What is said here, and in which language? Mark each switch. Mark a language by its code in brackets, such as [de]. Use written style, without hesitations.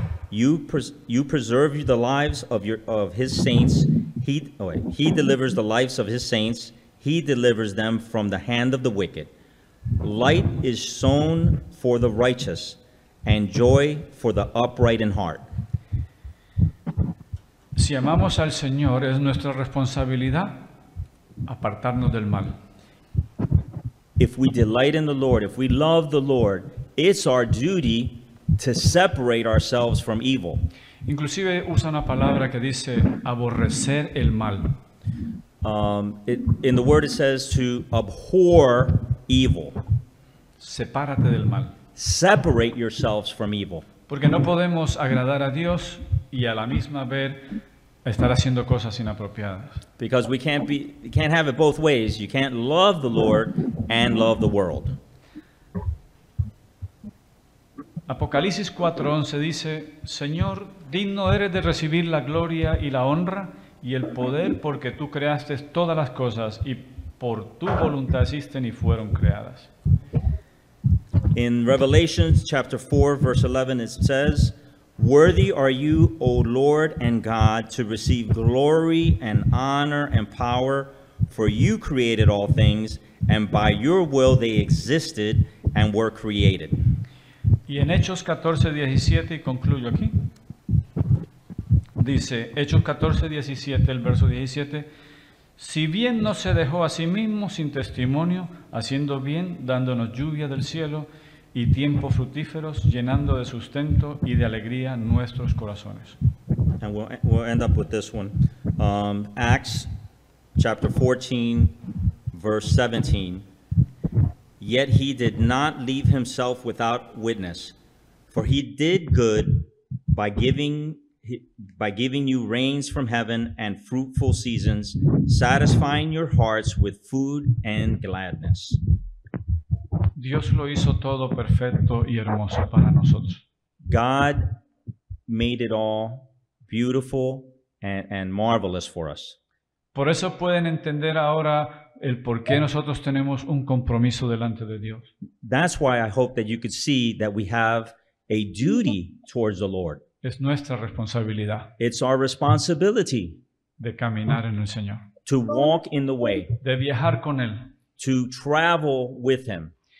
[en] You preserve the lives of his saints. He delivers the lives of his saints. He delivers them from the hand of the wicked. Light is sown for the righteous, and joy for the upright in heart. [es] Si amamos al Señor, es nuestra responsabilidad apartarnos del mal. [en] If we delight in the Lord, if we love the Lord, it's our duty to separate ourselves from evil. [es] Inclusive usa una palabra que dice aborrecer el mal. [en] In the word it says to abhor evil. [es] Sepárate del mal. [en] Separate yourselves from evil. [es] Porque no podemos agradar a Dios y a la misma vez estar haciendo cosas inapropiadas. [en] Because we can't be, you can't have it both ways. You can't love the Lord and love the world. [es] Apocalipsis 4:11 dice, Señor, digno eres de recibir la gloria y la honra y el poder, porque tú creaste todas las cosas y por tu voluntad existen y fueron creadas. [en] In Revelation chapter 4, verse 11, it says, Worthy are you, O Lord and God, to receive glory and honor and power, for you created all things, and by your will they existed and were created. [es] Y en Hechos 14:17, y concluyo aquí, dice, Hechos 14:17, el verso 17, Si bien no se dejó a sí mismo sin testimonio, haciendo bien, dándonos lluvia del cielo y tiempo frutíferos, llenando de sustento y de alegría nuestros corazones. [en] And we'll end up with this one. Acts chapter 14, verse 17. Yet he did not leave himself without witness, for he did good by giving you rains from heaven and fruitful seasons, satisfying your hearts with food and gladness. [es] Dios lo hizo todo perfecto y hermoso para nosotros. [en] God made it all beautiful and marvelous for us. [es] Por eso pueden entender ahora el por qué nosotros tenemos un compromiso delante de Dios. [en] That's why I hope that you could see that we have a duty towards the Lord. [es] Es nuestra responsabilidad. [en] It's our responsibility. [es] De caminar en el Señor. [en] To walk in the way. [es] De viajar con él. [en] To travel with him.